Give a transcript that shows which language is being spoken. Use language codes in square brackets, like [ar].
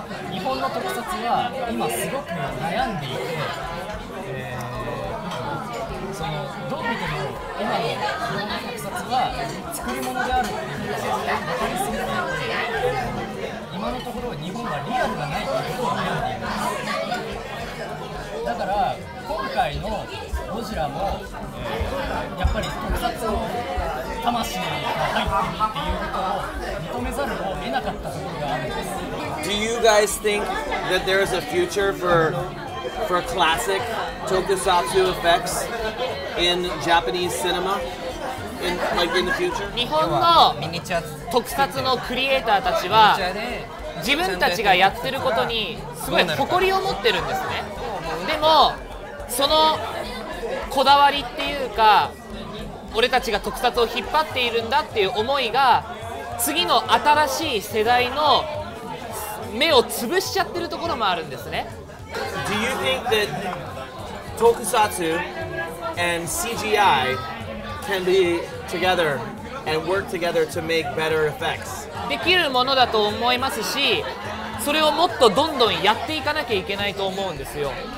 [ja] 日本の特撮は今すごく悩んでいて、そのどう見ても今の日本の特撮は作り物であるっていうのが分かりすぎて、今のところ日本はリアルがないということを悩んでいます。だから今回のゴジラも、やっぱり特撮の魂が入っているっていうことを認めざるを得なかったところがあるんです。 [en] Do you guys think that there is a future for classic tokusatsu effects in Japanese cinema? Like、in the [ja] 日本の特撮のクリエイターたちは自分たちがやってることにすごい誇りを持ってるんですね。でもそのこだわりっていうか、俺たちが特撮を引っ張っているんだっていう思いが次の新しい世代の目を潰しちゃってるところもあるんですね。 [en] Do you think that tokusatsu and CGI can be together and work together to make better effects? [ja] できるものだと思いますし、それをもっとどんどんやっていかなきゃいけないと思うんですよ。